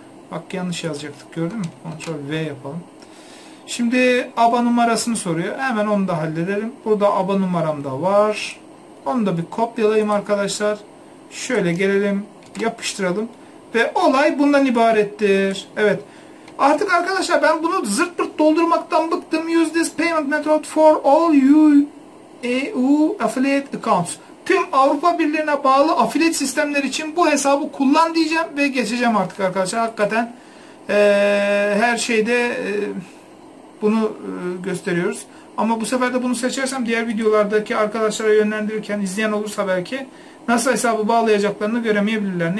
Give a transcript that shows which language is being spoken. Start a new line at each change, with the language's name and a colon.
Turkish: Bak yanlış yazacaktık, gördün mü? Ctrl V yapalım. Şimdi ABA numarasını soruyor. Hemen onu da halledelim. Burada ABA numaram da var. Onu da bir kopyalayayım arkadaşlar. Şöyle gelelim. Yapıştıralım. Ve olay bundan ibarettir. Evet. Artık arkadaşlar ben bunu zırt pırt doldurmaktan bıktım.
English: Use this payment method for all EU affiliate accounts.
Turkish: Tüm Avrupa Birliği'ne bağlı affiliate sistemler için bu hesabı kullan diyeceğim ve geçeceğim artık arkadaşlar. Hakikaten her şeyde bunu gösteriyoruz. Ama bu sefer de bunu seçersem diğer videolardaki arkadaşlara yönlendirirken izleyen olursa belki nasıl hesabı bağlayacaklarını göremeyebilirler.